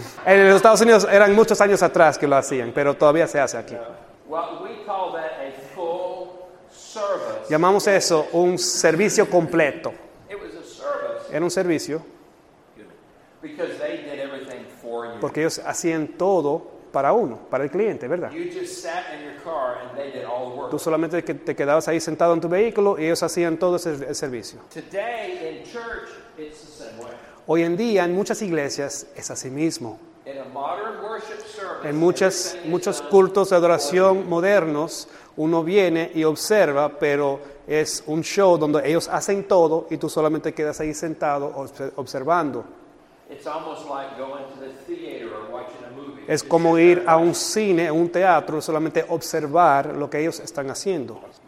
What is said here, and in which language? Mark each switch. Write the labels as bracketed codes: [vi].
[es] En los Estados Unidos eran muchos años atrás que lo hacían, pero todavía se hace aquí. [en] What we call that a full service. [es] Llamamos eso un servicio completo. [en] It was a service. [es] Era un servicio. [en] Because they did everything for you. [es] Porque ellos hacían todo para uno, para el cliente, ¿verdad? [en] You just sat in your car and they did all the work. [es] Tú solamente te quedabas ahí sentado en tu vehículo y ellos hacían todo ese servicio. [en] Today in church, it's the same way. [es] Hoy en día, en muchas iglesias, es así mismo. [en] In a modern worship service, [es] en muchos cultos de adoración modernos, uno viene y observa, pero es un show donde ellos hacen todo y tú solamente quedas ahí sentado observando. [en] It's almost like going to the theater or watching a movie. [es] Es como ir a un cine, a un teatro, solamente observar lo que ellos están haciendo.